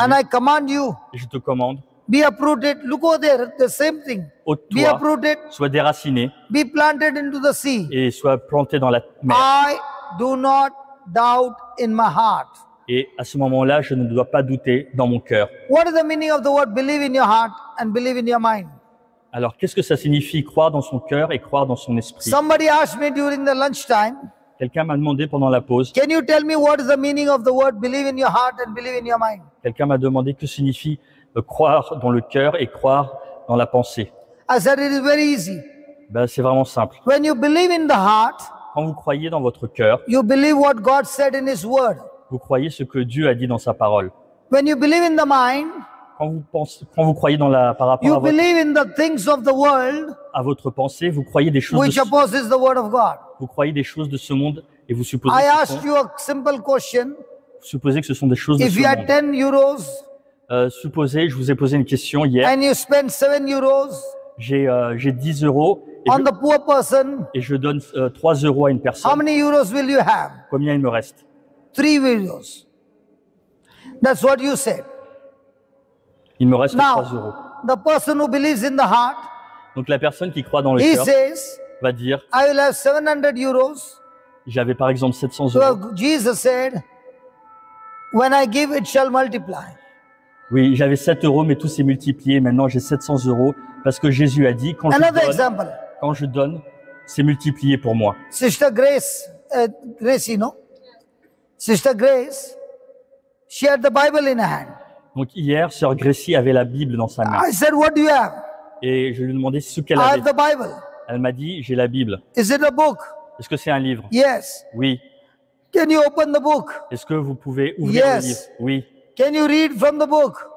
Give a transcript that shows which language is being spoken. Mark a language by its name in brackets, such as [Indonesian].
[English] and I command you, [French] et je te commande. [English] Be uprooted. Look over there. The same thing. [French] Ôte-toi, [English] be uprooted. [French] Sois déraciné. [English] Be planted into the sea. [French] Et sois planté dans la mer. [English] I do not doubt in my heart. [French] Et à ce moment-là, je ne dois pas douter dans mon cœur. [English] What is the meaning of the word believe in your heart and believe in your mind? [French] Alors, qu'est-ce que ça signifie croire dans son cœur et croire dans son esprit? [English] Somebody asked me during the lunchtime. [French] Quelqu'un m'a demandé pendant la pause. [English] Can you tell me what is the meaning of the word believe in your heart and believe in your mind? [French] Quelqu'un m'a demandé que signifie croire dans le cœur et croire dans la pensée. [English] I said it is very easy. [French] Ben, c'est vraiment simple. [English] When you believe in the heart, [French] quand vous croyez dans votre cœur, [English] you believe what God said in His word. [French] Vous croyez ce que Dieu a dit dans sa parole. [English] When you believe in the mind, [French] quand vous croyez dans la par rapport [English] you believe in the things of the world, [French] à votre pensée, vous croyez des choses [English] which opposes the word of God. [French] Vous croyez des choses de ce monde et vous supposez. [English] I asked you a simple question. [French] Vous supposez que ce sont des choses [English] if [French] de ce monde. [English] If you had 10 euros. [French] Supposez, je vous ai posé une question hier. [English] And you spend 7 euros. [French] J'ai 10 euros. [English] Et on the poor person. [French] Et je donne 3 euros à une personne. [English] How many euros will you have? [French] Combien il me reste? [English] 3 euros. That's what you said. [French] Il me reste [English] now, [French] 3 euros. [English] The person who believes in the heart. [French] Donc la personne qui croit dans le [English] he [French] cœur. [English] Says, [French] va dire. [English] I will have 700 euros. [French] J'avais par exemple 700 euros. [English] So Jesus said, when I give, it shall multiply. [French] Oui, j'avais 7 euros, mais tout s'est multiplié. Maintenant, j'ai 700 euros parce que Jésus a dit quand [English] another [French] je donne, [English] example. [French] Quand je donne, c'est multiplié pour moi. [English] Sister Grace, Gracie, non? Sister Grace, she had the Bible in her hand. [French] Donc hier, sœur Gracie avait la Bible dans sa main. [English] I said, what do you have? [French] Et je lui ai demandé ce qu'elle [English] I [French] avait. [English] I have the Bible. [French] Elle m'a dit, j'ai la Bible. [English] Is it a book? [French] Est-ce que c'est un livre? [English] Yes. [French] Oui. [English] Can you open the book? [French] Est-ce que vous pouvez ouvrir [English] yes. [French] le livre? Oui. [English] Can you read from the book?